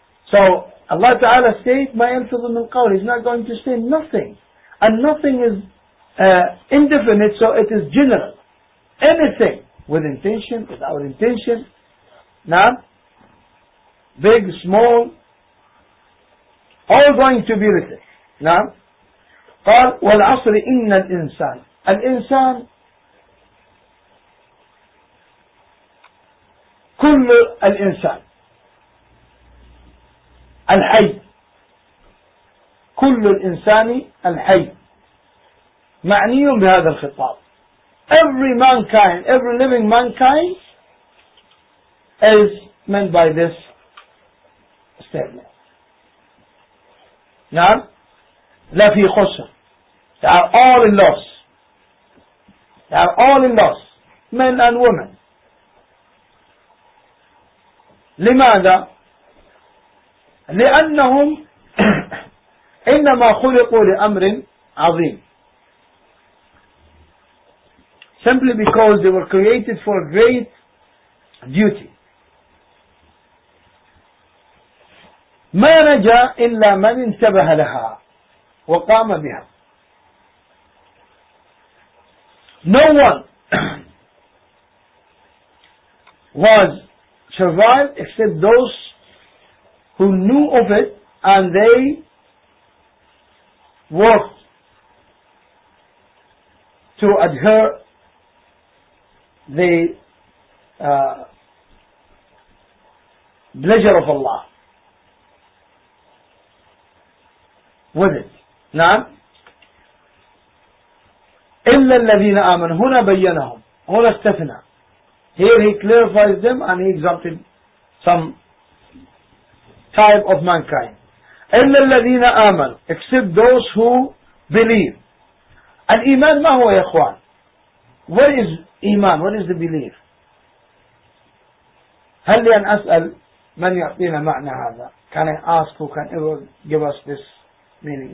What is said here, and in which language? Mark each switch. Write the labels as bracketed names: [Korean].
[English] So Allah Ta'ala state [Arabic] ما يلفظ من قول. [English] He's not going to say nothing and nothing is indefinite, so it is general. Anything with intention, without intention, now, big, small, all going to be written. Now, [Arabic] قال والعصر إن الإنسان. الإنسان كل الإنسان الحي كل الإنسان الحي معني بهذا الخطاب. [English] Every mankind, every living mankind is meant by this statement. [Arabic] نعم لا في خسر. [English] They are all in loss. They are all in loss. Men and women. [Arabic] لماذا؟ لأنهم إنما خلقوا لأمر عظيم. [English] Simply because they were created for a great duty. [Arabic] ما نجا إلا من انتبه لها وقام بها. [English] No one was survived except those who knew of it and they worked to adhere the pleasure of Allah with it. [Arabic] نعم إلا الذين آمنوا هنا بينهم هنا استثنى. [English] Here he clarifies them and he exalted some type of mankind. [Arabic] إلا الذين آمنوا [English] except those who believe. [Arabic] الإيمان ما هو يا إخوان؟ [English] What is إيمان؟ What is the belief؟ [Arabic] هل لي أن أسأل من يعطينا معنى هذا؟ [English] Can I ask who can ever give us this meaning?